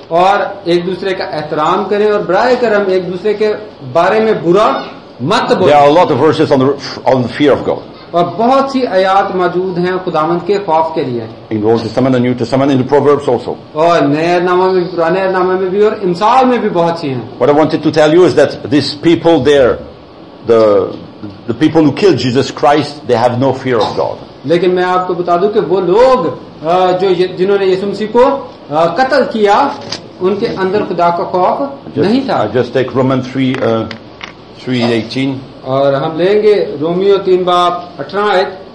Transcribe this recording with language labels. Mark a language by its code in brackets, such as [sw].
[hi] और एक दूसरे का एहतराम करें, और ब्राय करम एक दूसरे के बारे में बुरा मत बोलें। [en] There are a lot of verses on the fear of God. [hi] और बहुत सी आयात मौजूद हैं खुदावंद के खौफ के लिए। [en] In the Old Testament, New Testament, in the Proverbs also. [hi] और नए नामे में, पुराने नामे में भी, और इंसाल में भी बहुत सी हैं। [en] What I wanted to tell you is that these people there, the people who killed Jesus Christ, they have no fear of God. [hi] लेकिन मैं आपको बता दूं कि वो लोग जो जिन्होंने यीशु मसीह को कत्ल किया, उनके अंदर खुदा का खौफ नहीं था। [en] Just take Romans 3:18. [hi] और हम लेंगे रोमियो 3:18।